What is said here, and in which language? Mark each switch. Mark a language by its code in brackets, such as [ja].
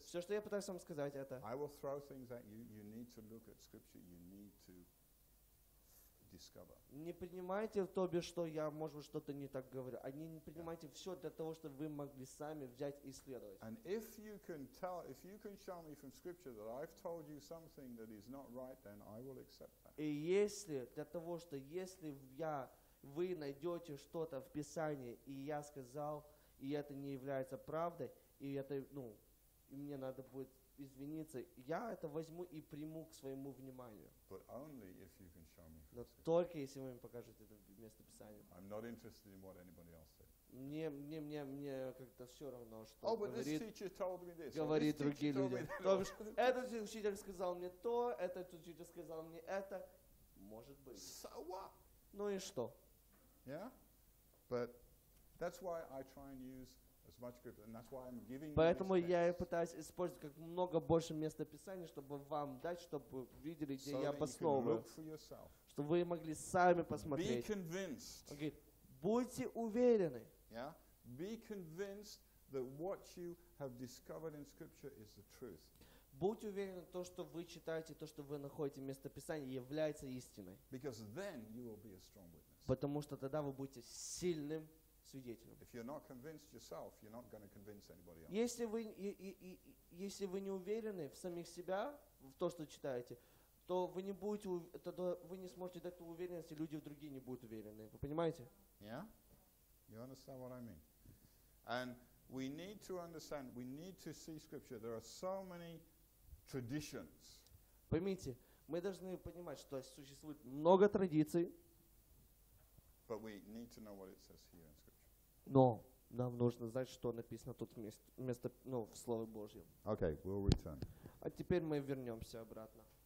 [ru] Все, что я пытаюсь вам сказать, это... [en] I will throw things at you. You need to look at scripture. You need to discover. [ru] Не принимайте то, что я, может быть, что-то не так говорю. А не принимайте все для того, чтобы вы могли сами взять и исследовать. [en] And if you can tell, if you can show me from scripture that I've told you something that is not right, then I will accept that. [ru] И если для того, что если я, вы найдете что-то в Писании, и я сказал, и это не является правдой, и это, ну, и мне надо будет извиниться, я это возьму и приму к своему вниманию. [en] But only if you can show me. [ru] Но только если вы мне покажете это место Писания. [en] I'm not interested in what anybody else said. [ru] Мне как-то все равно, что говорит. [en] Oh, but this teacher told me this. [ru] Говорит [en] this [ru] другие люди. Этот учитель сказал мне то, этот учитель сказал мне это. Может быть. [en] So what? [ru] Ну и что? [en] Yeah, but that's why I try and use. As much good, and that's why I'm giving [ru] Поэтому [en] you this [ru] я и пытаюсь использовать как много больше места Писания, чтобы вам дать, чтобы вы видели, где [en] so [ru] я обосновываю. Чтобы вы могли сами посмотреть. [en] Be convinced. [ru] Он говорит, будьте уверены. [en] Yeah? Be convinced that what you have discovered in Scripture is the truth. [ru] Будьте уверены, то, что вы читаете, то, что вы находите место Писания, является истиной. [en] Because then you will be a strong witness. [ru] Потому что тогда вы будете сильным. [en] If you're not convinced yourself, you're not going to convince anybody else. [ru] Если вы не уверены в самих себя, в то, что читаете, то вы не будете, тогда вы не сможете дать ту уверенность, и люди другие не будут уверены. Вы понимаете? [en] Yeah? You understand what I mean? And we need to understand, we need to see scripture. There are so many traditions. [ru] Поймите, мы должны понимать, что существует много традиций. [en] But we need to know what it says here in Scripture. [ru] Но нам нужно знать, что написано тут вместо, ну, в Слове Божьем. [en] Okay, we'll return. [ru] А теперь мы вернемся обратно.